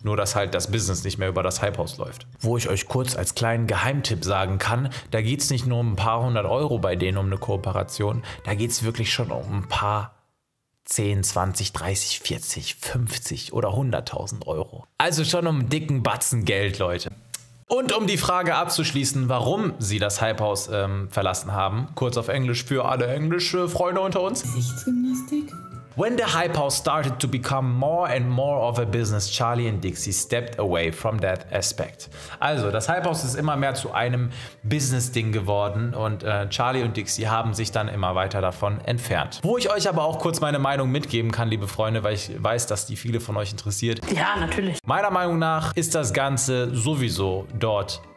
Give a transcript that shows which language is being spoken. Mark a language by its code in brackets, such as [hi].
[de] Nur, dass halt das Business nicht mehr über das Hype-Haus läuft. Wo ich euch kurz als kleinen Geheimtipp sagen kann, da geht es nicht nur um ein paar hundert Euro bei denen um eine Kooperation, da geht es wirklich schon um ein paar 10, 20, 30, 40, 50 oder 100.000 Euro. Also schon um einen dicken Batzen Geld, Leute. Und um die Frage abzuschließen, warum sie das Hype-Haus verlassen haben, kurz auf Englisch für alle englische Freunde unter uns. Gesichtsgymnastik? [en] When the Hype House started to become more and more of a business, Charli and Dixie stepped away from that aspect. [de] Also, das Hype House ist immer mehr zu einem Business-Ding geworden und Charli und Dixie haben sich dann immer weiter davon entfernt. Wo ich euch aber auch kurz meine Meinung mitgeben kann, liebe Freunde, weil ich weiß, dass die viele von euch interessiert. Ja, natürlich. Meiner Meinung nach ist das Ganze sowieso dort